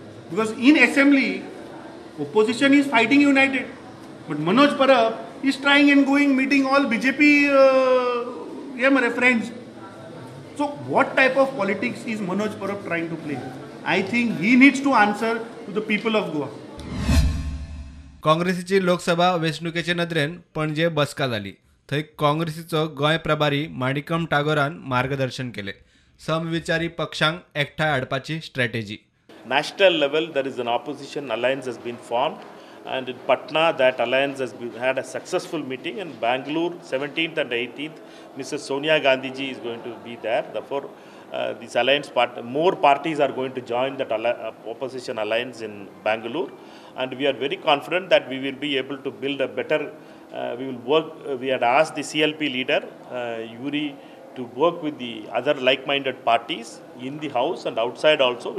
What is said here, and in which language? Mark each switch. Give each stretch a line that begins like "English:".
English: Because in assembly, opposition is fighting united. But Manoj Parab is trying and going meeting all BJP friends. So what type of politics is Manoj Parab trying to play? I think he needs to answer to the people of Goa.
Goan Konkani: काँग्रेसीची Lok Sabha वेंचणुकेचे नदरेन पणजे बसका झाली. थंय काँग्रेसीचो गोंय प्रभारी माणिकम टागोरान मार्गदर्शन केले. समविचारी पक्षांक एकठांय हाडपाची strategy.
English: National level there is an opposition alliance has been formed and in Patna that alliance has been had a successful meeting. In Bangalore 17th अँड 18th Mrs. Sonia Gandhiji is going to be there. Therefore, this alliance part, more parties are going to join that opposition alliance in Bangalore. And we are very confident that we will be able to build a better, we will work, we had asked the CLP leader, Yuri, to work with the other like-minded parties in the house and outside also.